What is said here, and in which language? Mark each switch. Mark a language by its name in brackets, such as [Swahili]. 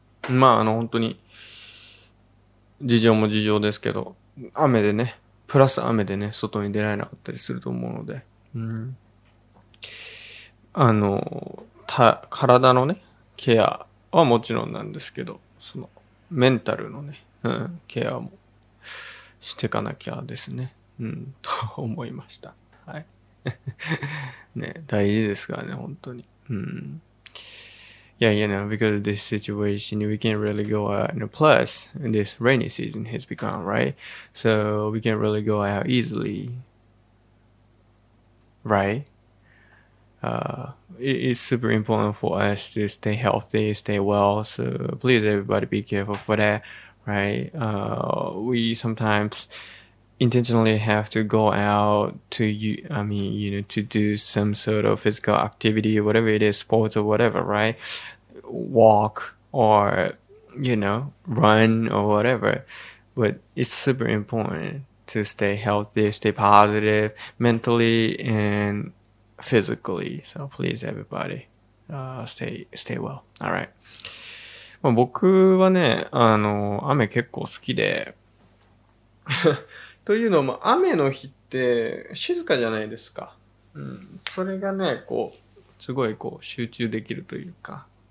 [Japanese] まあ本当に事情も事情ですけど、雨でね、プラス雨でね、外に出られなかったりすると思うので、うん、体のねケアはもちろんなんですけど、そのメンタルのね、うん、ケアもしてかなきゃですね、うん、と思いました。はいね、大事ですからね、本当に。 [English] うん、Yeah, you know, because this situation, we can't really go out. And plus, this rainy season has become, right? So we can't really go out easily, right? It's super important for us to stay healthy, stay well. So please, everybody, be careful for that, right? We sometimes intentionally have to go out to, to do some sort of physical activity, whatever it is, sports or whatever, right? Walk or run or whatever, but it's super important to stay healthy, stay positive mentally and physically. So please, everybody, stay well. All right. [Japanese] まあ僕はね、雨結構好きで、というのも雨の日って静かじゃないですか。うん、それがね、こうすごいこう集中できるというか。